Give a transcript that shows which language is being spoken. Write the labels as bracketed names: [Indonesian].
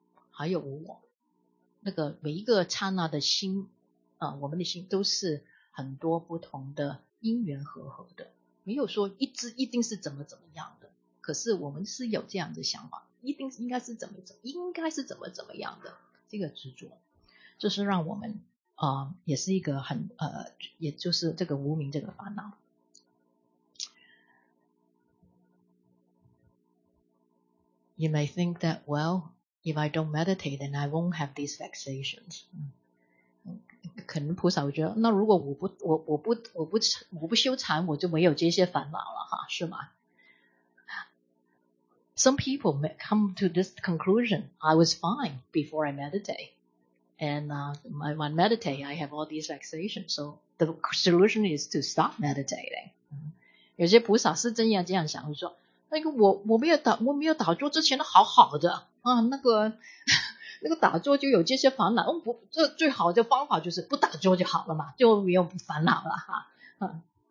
[Chinese] 还有无我，那个每一个刹那的心我们的心都是很多不同的因缘和合的，没有说一定是怎么样的，可是我们是有这样的想法，应该是怎么样的，这个执着就是让我们也是一个很也就是这个无明这个烦恼。 [English] You may think that, well, if I don't meditate, then I won't have these vexations. [Chinese] 可能菩萨会觉得，那如果我不修禅，我就没有这些烦恼了哈，是吗？ [English] Some people may come to this conclusion. I was fine before I meditate, and when I meditate, I have all these vexations. So the solution is to stop meditating. [Chinese] 有些菩萨是真要这样想，会说。那个我没有打坐之前的好好的啊，那个打坐就有这些烦恼，不，这最好的方法就是不打坐就好了嘛，就没有烦恼了哈。